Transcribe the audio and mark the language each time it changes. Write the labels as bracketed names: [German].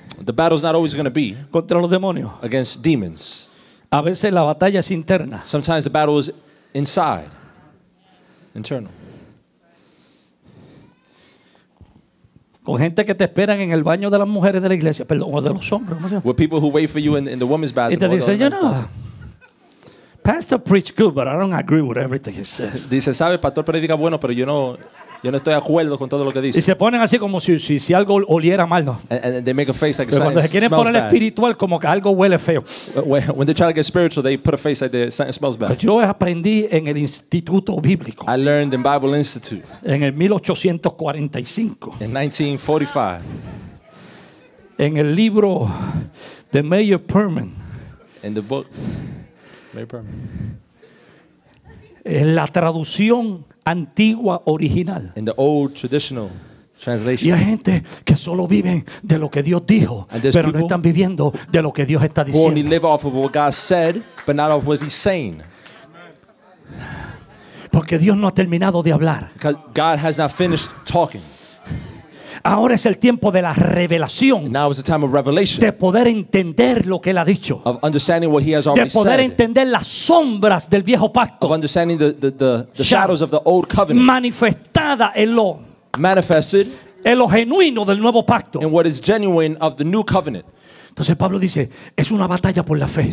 [English] The battle's not always going to be [Spanish] contra los demonios. [English] Against demons. [Spanish] A veces la batalla es interna. [English] Sometimes the battle is inside. Internal. [Spanish] Con gente que te esperan en el baño de las mujeres de la iglesia, perdón, o de los hombres. [English] With people who wait for you in the women's bathroom. [Spanish] Y te dice, [English] you know, pastor preach good, but I don't agree with everything he says. [Spanish] Dice, sabe, pastor predica bueno, pero yo no estoy de acuerdo con todo lo que dice. Y se ponen así como si algo oliera mal, ¿no? [English] And they make a face like, [Spanish] pero cuando se quieren poner espiritual, como que algo huele feo. [English] When they try to get spiritual, they put a face like something smells bad. [Spanish] Pero yo aprendí en el Instituto Bíblico. [English] I learned in Bible Institute. [Spanish] En el 1845. [English] In 1945. [Spanish] En el libro de Mayor Perman. [English] In the book Mayor Perman. [Spanish] En la traducción antigua original. [English] In the old traditional translation. [Spanish] Y hay gente que solo viven de lo que Dios dijo, pero no están viviendo de lo que Dios está diciendo. [English] Who only live off of what God said, but not off what He's saying. [Spanish] Porque Dios no ha terminado de hablar. [English] Because God has not finished talking. [Spanish] Ahora es el tiempo de la revelación. [English] Now is the time of revelation. [Spanish] De poder entender lo que él ha dicho. [English] Of understanding what he has already said. [Spanish] De poder [English] said. [Spanish] Entender las sombras del viejo pacto. [English] Of understanding the shadows of the old covenant. [Spanish] Manifestada en lo. [English] Manifested. [Spanish] En lo genuino del nuevo pacto. [English] In what is genuine of the new covenant. [Spanish] Entonces Pablo dice, es una batalla por la fe.